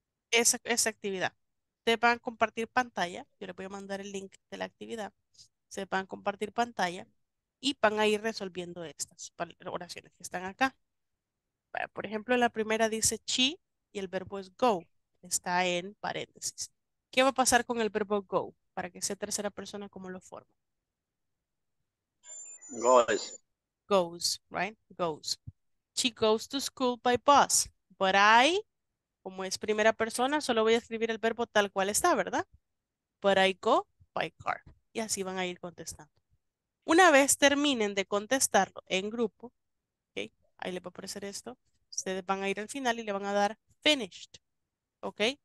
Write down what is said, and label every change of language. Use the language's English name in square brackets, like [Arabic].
[Spanish] Esa actividad. Ustedes van a compartir pantalla, yo les voy a mandar el link de la actividad, se van a compartir pantalla y van a ir resolviendo estas oraciones que están acá. Por ejemplo, la primera dice she y el verbo es go, está en paréntesis. ¿Qué va a pasar con el verbo go? Para que sea tercera persona, ¿cómo lo formo? [English] Goes. Goes, right? Goes. She goes to school by bus, but I... [Spanish] Como es primera persona, solo voy a escribir el verbo tal cual está, ¿verdad? [English] But I go by car. [Spanish] Y así van a ir contestando. Una vez terminen de contestarlo en grupo, okay, ahí les va a aparecer esto, ustedes van a ir al final y le van a dar finished. ¿Ok?